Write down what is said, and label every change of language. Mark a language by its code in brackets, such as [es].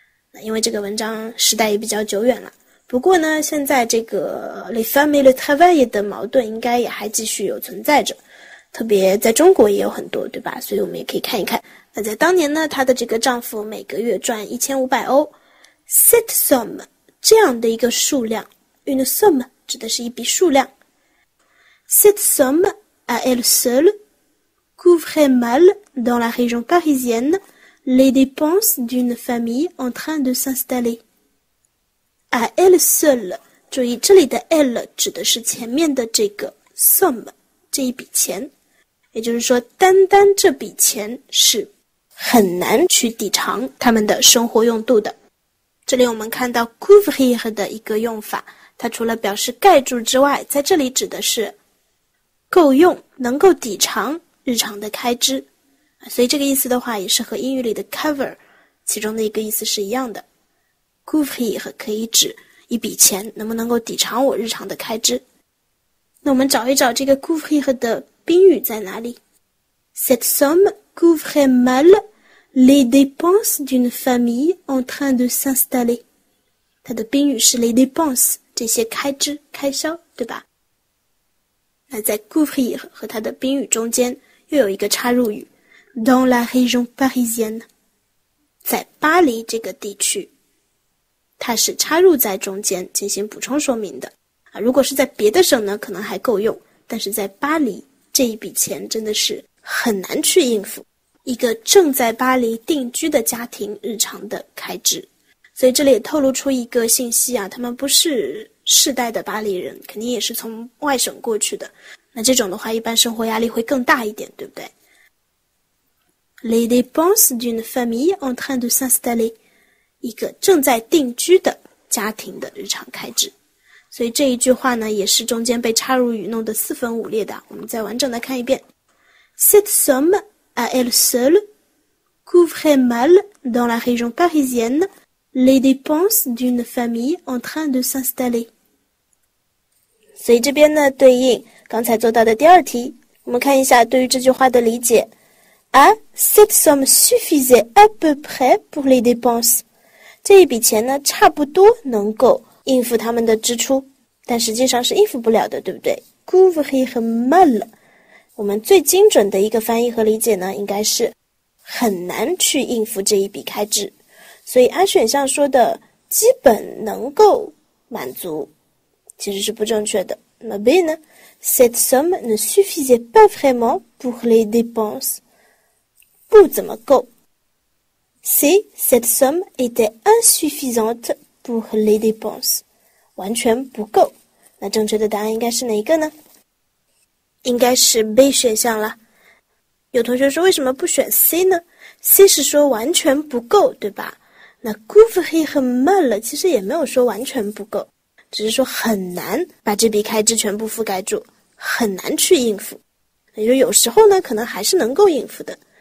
[zh] 那因为这个文章时代也比较久远了。不过呢，现在这个 [fr] les femmes et le travail [zh] 的矛盾应该也还继续有存在着，特别在中国也有很多，对吧？所以我们也可以看一看。那在当年呢，她的这个丈夫每个月赚1500欧， [fr] cette somme [zh] 这样的一个数量， [fr] une somme [zh] 指的是一笔数量。 [fr] Cette somme, à elle seule, couvrait mal, dans la région parisienne, les dépenses d'une famille en train de s'installer. À elle seule, [zh] 注意这里的 elle 指的是前面的这个 somme 这一笔钱，也就是说，单单这笔钱是很难去抵偿他们的生活用度的。这里我们看到 couvrir 的一个用法，它除了表示盖住之外，在这里指的是。够用，能够抵偿日常的开支，所以这个意思的话，也是和英语里的 cover 其中的一个意思是一样的。 couvrir 可以指一笔钱能不能够抵偿我日常的开支。那我们找一找这个 couvrir 的宾语在哪里？ [fr] Cette somme couvrait mal les dépenses d'une famille en train de s'installer。 [zh] 它的宾语是 les dépenses，这些开支、开销，对吧？那在 couvrir 和它的宾语中间又有一个插入语 [fr] dans la région parisienne， [zh] 在巴黎这个地区，它是插入在中间进行补充说明的啊。如果是在别的省呢，可能还够用，但是在巴黎这一笔钱真的是很难去应付一个正在巴黎定居的家庭日常的开支。所以这里也透露出一个信息啊，他们不是。世代的巴黎人肯定也是从外省过去的，那这种的话，一般生活压力会更大一点，对不对？ [fr] Les dépenses d'une famille en train de s'installer， [zh] 一个正在定居的家庭的日常开支。所以这一句话呢，也是中间被插入语弄得四分五裂的。我们再完整的看一遍： [fr] Cette somme à elle seule couvrait mal dans la région parisienne les dépenses d'une famille en train de s'installer。 [zh] 所以这边呢，对应刚才做到的第二题，我们看一下对于这句话的理解。 [fr] 啊，cette somme suffisait à peu près pour les dépenses。 [zh] 这一笔钱呢，差不多能够应付他们的支出，但实际上是应付不了的，对不对？ [fr] couvrir mal。 [zh] 我们最精准的一个翻译和理解呢，应该是很难去应付这一笔开支。所以 A 选项说的基本能够满足。其实是不正确的。那 B 呢？ [fr] Cette somme ne suffisait pas vraiment pour les dépenses， [zh] 不怎么够。 [fr] C, cette somme était insuffisante pour les dépenses， [zh] 完全不够。那正确的答案应该是哪一个呢？应该是 B 选项了。有同学说，为什么不选 C 呢？C 是说完全不够，对吧？那 [fr] couvrir mal [zh] 了，其实也没有说完全不够。只是说很难把这笔开支全部覆盖住，很难去应付。也就有时候呢，可能还是能够应付的。